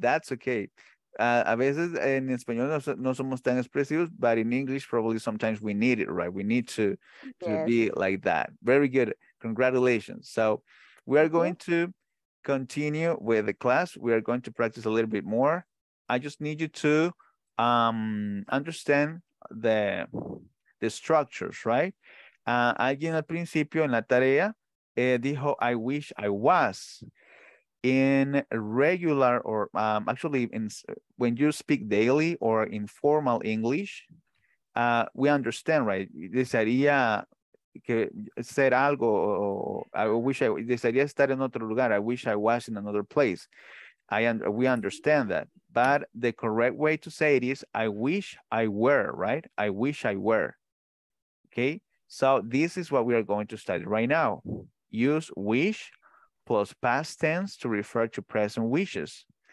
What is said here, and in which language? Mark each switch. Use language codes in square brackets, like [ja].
[en] That's okay. [es] A veces en español no somos tan expresivos, [en] but in English probably sometimes we need it, right? We need to be like that. Very good. Congratulations. So we are going to continue with the class. We are going to practice a little bit more. I just need you to understand the structures, right? [es] Alguien al principio en la tarea dijo, [en] I wish I was. In regular or actually in when you speak daily or informal English, we understand, right? [es] Desearía que ser algo, desearía estar en otro lugar. [en] I wish I was in another place. We understand that. But the correct way to say it is, I wish I were, right? I wish I were, okay? So this is what we are going to study right now. Use wish plus past tense to refer to present wishes.